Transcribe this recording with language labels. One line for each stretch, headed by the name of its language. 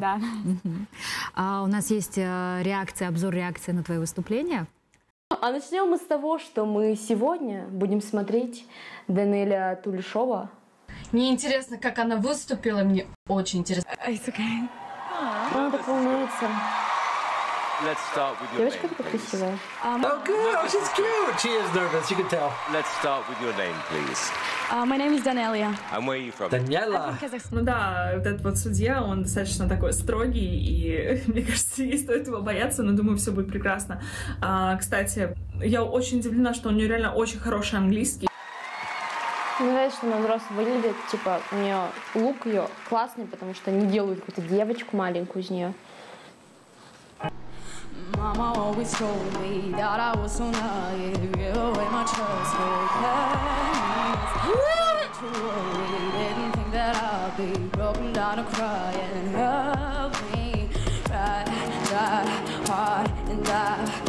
Russian: Да. У нас есть реакция, обзор реакции на твое выступление. А начнем мы с того, что мы сегодня будем смотреть Данэля Тулешова. Мне интересно, как она выступила, мне очень интересно.
English: It's okay.
Russian: Она так волнуется.
English: Let's start with your name, please. Oh, good. Oh, she's cute. She is nervous. You can tell. Let's start with your name, please. My name is Danelia. And where are you from? Daniela.
Russian: Ну да, вот этот вот судья, он достаточно такой строгий, и мне кажется, не стоит его бояться, но думаю, все будет прекрасно. Кстати, я очень удивлена, что у нее реально очень хороший английский. Мне нравится, что она взрослая выглядит, типа, у нее лук ее классный, потому что они делают какую-то девочку маленькую из нее.
English: Mama always told me that I was so naive. Give away my trust for kindness. Truly didn't think that I'd be broken down and crying. Help me, try, try hard and die.